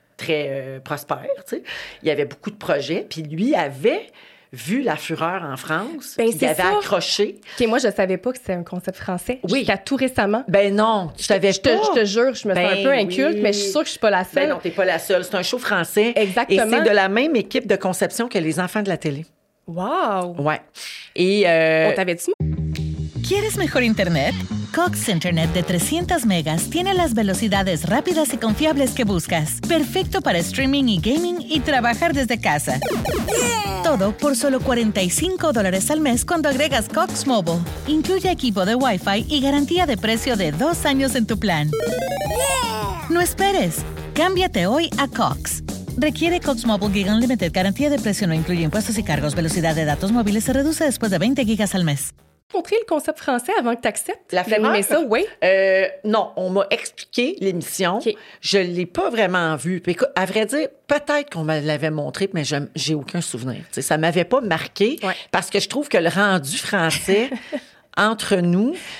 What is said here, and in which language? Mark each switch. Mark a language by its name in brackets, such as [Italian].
[French] Très prospère, tu sais. Il y avait beaucoup de projets, puis lui avait vu La Fureur en France. Ben, il avait accroché. Et moi, je savais pas que c'était un concept français. Oui. Jusqu'à tout récemment. Ben non, tu savais pas. Je te jure, je me sens un peu inculte, mais je suis sûre que je suis pas la seule. Ben non, t'es pas la seule. C'est un show français. Exactement. Et c'est de la même équipe de conception que Les Enfants de la télé. Wow! Ouais. On t'avait dit... [Spanish] ¿Quieres mejor internet? Cox Internet de 300 megas tiene las velocidades rápidas y confiables que buscas. Perfecto para streaming y gaming y trabajar desde casa. Todo por solo $45 al mes cuando agregas Cox Mobile. Incluye equipo de Wi-Fi y garantía de precio de 2 años en tu plan. No esperes. Cámbiate hoy a Cox. Requiere Cox Mobile Gig Unlimited. Garantía de precio no incluye impuestos y cargos. Velocidad de datos móviles se reduce después de 20 gigas al mes. [French] Montrer le concept français avant que tu acceptes. La Fureur, ça, oui. Non, on m'a expliqué l'émission. Okay. Je ne l'ai pas vraiment vue. Puis, écoute, à vrai dire, peut-être qu'on me l'avait montré, mais je n'ai aucun souvenir. T'sais, ça ne m'avait pas marqué parce que je trouve que le rendu français entre nous.